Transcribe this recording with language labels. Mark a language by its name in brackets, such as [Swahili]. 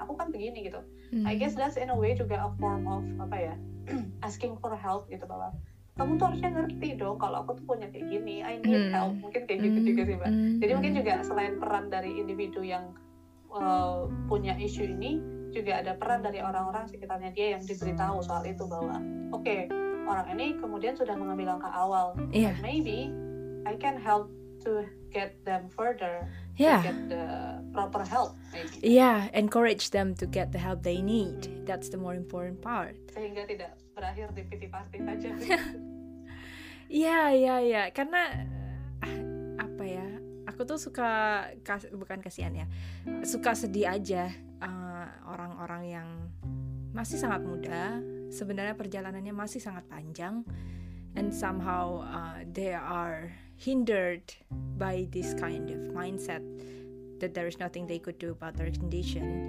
[Indonesian] Aku kan begini gitu. [English] I guess that's in a way [Indonesian] juga [English] a form of [Indonesian] apa ya, [English] asking for help [Indonesian] gitu, bahwa kamu tuh harusnya ngerti dong kalau aku tuh punya kayak gini, [English] I need help, [Indonesian] mungkin kayak gitu juga sih, Mbak. Jadi mungkin juga selain peran dari individu yang punya isu ini, juga ada peran dari orang-orang sekitarnya dia yang diberitahu soal itu, bahwa okay, orang ini kemudian sudah mengambil langkah awal, [English] yeah. Maybe I can help to get them further, yeah, to get the proper help, maybe. Yeah, encourage them to get the help they need. That's the more important part. [Indonesian] Sehingga tidak berakhir di pity party saja. Yeah. Karena apa ya? Aku tuh suka bukan kasihan ya, suka sedih aja orang-orang yang masih sangat muda. Sebenarnya perjalanannya masih sangat panjang, [English] and somehow they are hindered by this kind of mindset that there is nothing they could do about their condition.